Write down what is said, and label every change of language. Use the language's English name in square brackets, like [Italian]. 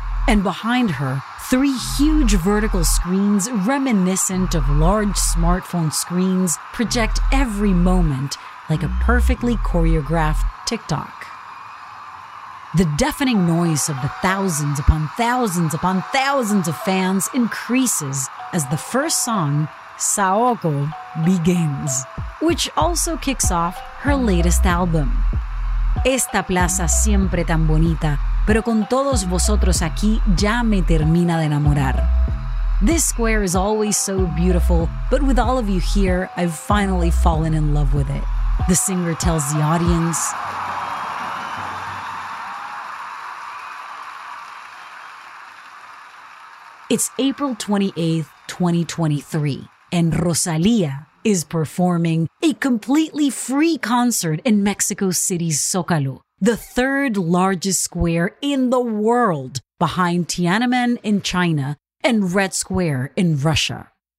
[English] And behind her, three huge vertical screens reminiscent of large smartphone screens project every moment like a perfectly choreographed TikTok. The deafening noise of the thousands upon thousands upon thousands of fans increases as the first song, Saoko, begins, which also kicks off her latest album. [Spanish] Esta plaza siempre tan bonita, pero con todos vosotros aquí ya me termina de enamorar. [English] This square is always so beautiful, but with all of you here, I've finally fallen in love with it. The singer tells the audience. It's April 28th, 2023. And Rosalía is performing a completely free concert in Mexico City's Zócalo, the third largest square in the world, behind Tiananmen in China and Red Square in Russia.